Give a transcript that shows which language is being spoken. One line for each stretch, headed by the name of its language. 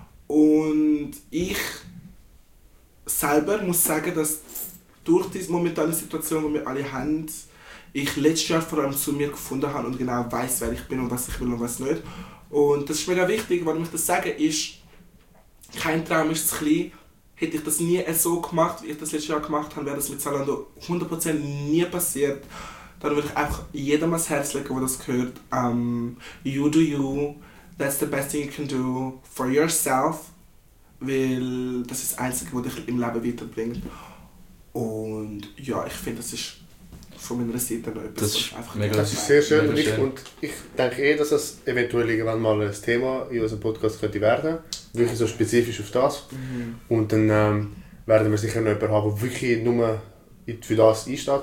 German: Und ich selber muss sagen, dass durch diese momentane Situation, die wir alle haben, ich letztes Jahr vor allem zu mir gefunden habe und genau weiss, wer ich bin und was ich will und was nicht. Und das ist mega wichtig, warum ich das sage, ist, kein Traum ist zu klein. Hätte ich das nie so gemacht, wie ich das letztes Jahr gemacht habe, wäre das mit Zalando 100% nie passiert. Dann würde ich einfach jedem ans Herz legen, der das gehört.
English: You do you. That's the best thing you can do for yourself.
German: Weil das ist das Einzige, was dich im Leben weiterbringt. Und ja, ich finde, das ist von meiner Seite noch etwas. Das ist sehr schön. Und ich denke eh, dass das eventuell irgendwann mal ein Thema in unserem Podcast könnte werden. Wirklich so spezifisch auf das. Mhm. Und dann werden wir sicher noch jemanden haben, der wirklich nur für das einsteht.